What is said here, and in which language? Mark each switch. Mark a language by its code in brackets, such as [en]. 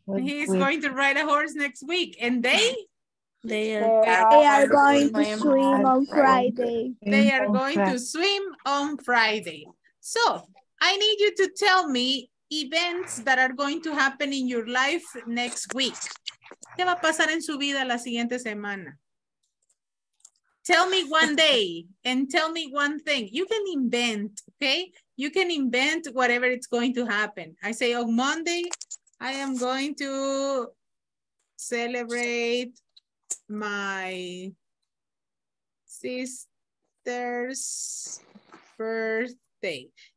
[en] He is going to ride a horse next week. And they? They are going to swim on Friday. They are going to swim on Friday. So I need you to tell me events that are going to happen in your life next week. [es] ¿Qué va a pasar en su vida la siguiente semana? [en] Tell me one day and tell me one thing. You can invent, okay? You can invent whatever it's going to happen. I say on Monday, I am going to celebrate my sister's birthday.